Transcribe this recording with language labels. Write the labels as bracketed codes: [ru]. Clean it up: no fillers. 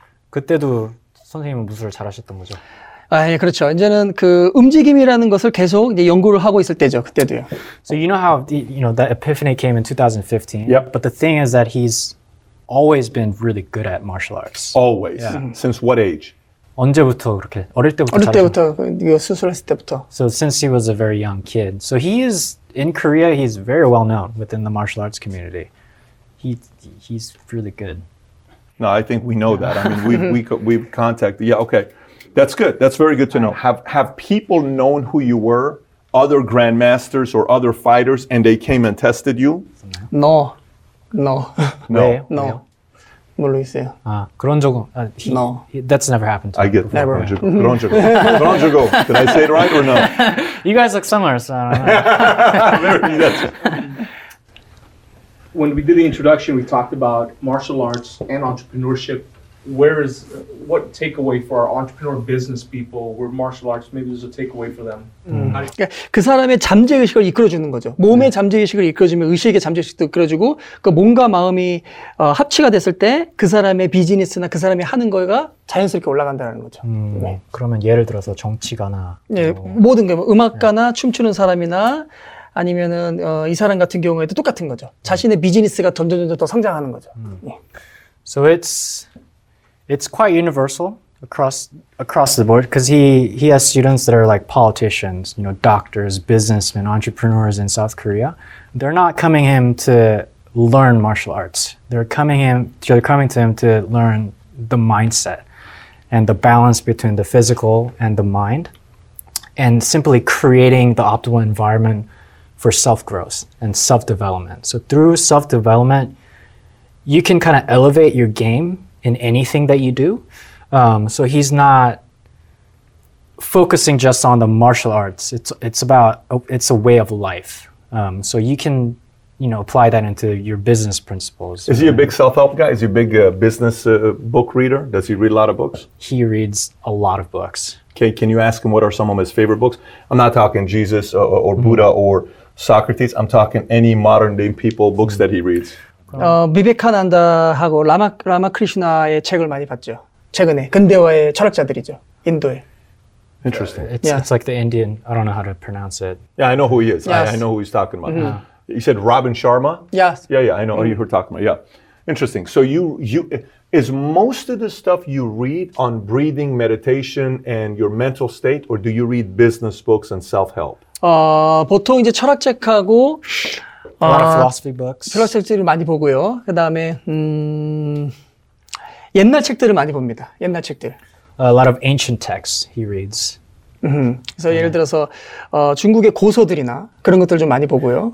[ko] 그때도 선생님은 무술을 잘하셨던 거죠. 아, 예, 그렇죠. 이제는 그 움직임이라는 것을 계속 이제 연구를 하고 있을 때죠. 그때도요. [en] So you know how the, you know that epiphany came in 2015. Yep. But the thing is that he's always been really good at martial arts. Always. Yeah. Since what age? [ko] 언제부터 그렇게 어릴 때부터 어릴 때부터 이거 수술했을 때부터. [en] So since he was a very young kid. So he is in Korea, he's very well known within the martial arts community. He's really good. No, I think we know yeah. that. I mean, we've contacted. Yeah, okay. That's good. That's very good to know. Have people known who you were, other grandmasters or other fighters, and they came and tested you? No. No. No. No. No. [ko] No. 모르겠어요. 아, 그런 적은 [en] No. That's never happened to me. I get before. Never. [ko] 그런 적. 그런 적. [en] Did I say it right or no? You guys look similar, so I don't know. Very good. When we did the introduction, we talked about martial arts and entrepreneurship. Where is, what takeaway for our entrepreneur business people, where martial arts, maybe there's a takeaway for them. Mm. [ko] 그 사람의 잠재의식을 이끌어주는 거죠. 몸의 잠재의식을 이끌어주면 의식의 잠재의식도 이끌어주고 그 몸과 마음이 합치가 됐을 때 그 사람의 비즈니스나 그 사람이 하는 거가 자연스럽게 올라간다는 거죠. 네. 그러면 예를 들어서 정치가나. 네, 모든 게 뭐 음악가나 네. 춤추는 사람이나 아니면은 이 사람 같은 경우에도 똑같은 거죠. 자신의 비즈니스가 점점 더 성장하는 거죠. [en] So it's quite universal across the board because he has students that are like politicians, you know, doctors, businessmen, entrepreneurs in South Korea. They're not coming him to learn martial arts. They're coming to him to learn the mindset and the balance between the physical and the mind, and simply creating the optimal environment for self-growth and self-development. So through self-development, you can kind of elevate your game in anything that you do. So he's not focusing just on the martial arts. It's a way of life. So you can, you know, apply that into your business principles. Is he a big self-help guy? Is he a big business book reader? Does he read a lot of books? He reads a lot of books. Okay, can you ask him what are some of his favorite books? I'm not talking Jesus or Buddha mm-hmm. or Socrates. I'm talking any modern day people books mm-hmm. that he reads. [ko] 비베카난다하고 라마크리슈나의 책을 많이 봤죠. 최근에 근대화의 철학자들이죠. 인도의. [en] Interesting. It's like the Indian. I don't know how to pronounce it. Yeah, I know who he is. Yes. I know who he's talking about. Mm-hmm. He said Robin Sharma. Yes. Yeah, yeah. I know who you're talking about. Yeah. Interesting. So you is most of the stuff you read on breathing, meditation, and your mental state, or do you read business books and self-help? [ko] 보통 이제 철학책하고 [en] A lot of philosophy books. [ko] 필로소피를 많이 보고요. 그다음에 옛날 책들을 많이 봅니다. 옛날 책들. [en] A lot of ancient texts he reads. [ko] 그래서 yeah. 예를 들어서 중국의 고서들이나 그런 것들 좀 많이 보고요.